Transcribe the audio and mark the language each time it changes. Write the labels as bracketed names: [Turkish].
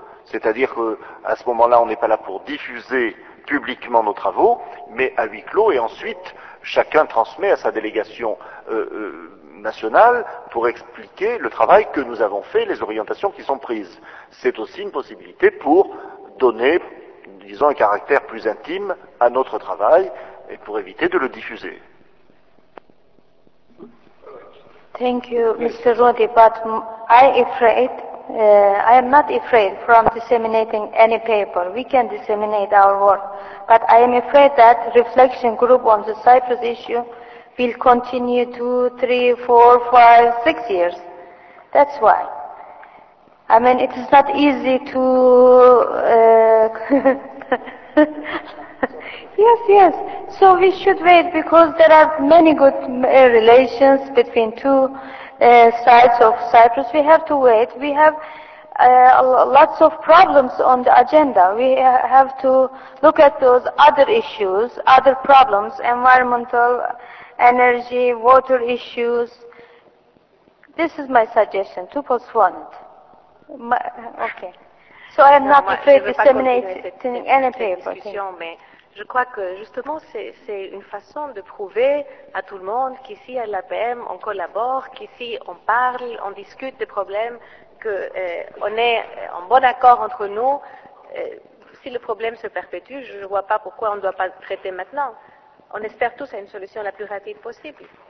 [French] C'est-à-dire qu'à ce moment-là, on n'est pas là pour diffuser publiquement nos travaux, mais à huis clos, et ensuite, chacun transmet à sa délégation nationale pour expliquer le travail que nous avons fait, les orientations qui sont prises. C'est aussi une possibilité pour donner, disons, un caractère plus intime à notre travail et pour éviter de le diffuser. [English] Thank you, Mr. Rudi, but I am not afraid from disseminating any paper. We can disseminate our work. But I am afraid that reflection group on the Cyprus issue will continue 2, 3, 4, 5, 6 years. That's why. I mean, it is not easy to... Yes. So we should wait, because there are many good relations between two sides of Cyprus. We have to wait. We have lots of problems on the agenda. We have to look at those other issues, other problems, environmental, energy, water issues. This is my suggestion, to postpone it. Okay. So I am not afraid of disseminating any paper. [French] Je crois que justement c'est une façon de prouver à tout le monde qu'ici à l'APM on collabore, qu'ici on parle, on discute des problèmes, qu'on est en bon accord entre nous. Si le problème se perpétue, je ne vois pas pourquoi on ne doit pas le traiter maintenant. On espère tous à une solution la plus rapide possible.